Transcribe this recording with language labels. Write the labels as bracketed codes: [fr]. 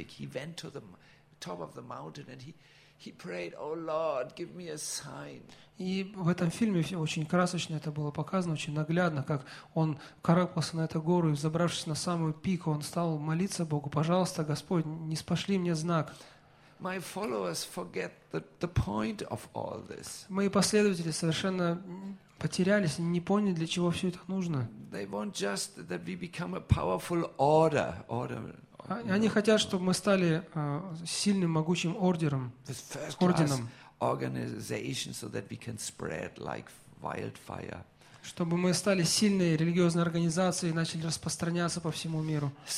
[en] He went to the top of the mountain and he prayed, "Oh Lord, give me a sign." [ru] И в этом фильме очень красочно это было показано, очень наглядно, как он карабкался на эту гору и, взобравшись на самую пик, он стал молиться Богу: "Пожалуйста, Господь, не спошли мне знак." [en] My followers forget the point of all this. [ru] Мои последователи совершенно потерялись, не поняли, для чего все это нужно. [en] They want just that we become a powerful order. [ru] Они хотят, чтобы мы стали сильным, могучим ордером, орденом. [en] Organization so that we can spread like wildfire. [ru] Чтобы мы стали сильной религиозной организацией и начали распространяться по всему миру.